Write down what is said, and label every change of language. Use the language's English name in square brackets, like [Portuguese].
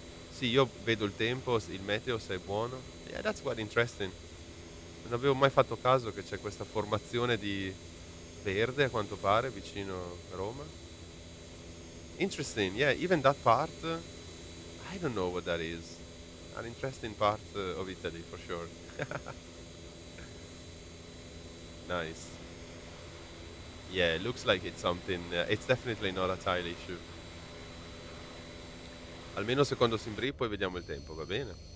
[Italian] Sì, io vedo il tempo, il meteo, se è buono. [English] Yeah, that's quite interesting. [Italian] Non avevo mai fatto caso che c'è questa formazione di verde, a quanto pare, vicino Roma. [English] Interesting, yeah, even that part, I don't know what that is. An interesting part of Italy, for sure. Nice. Yeah, it looks like it's something, it's definitely not a tile issue. [Italian] Almeno secondo Simbri, poi vediamo il tempo, va bene.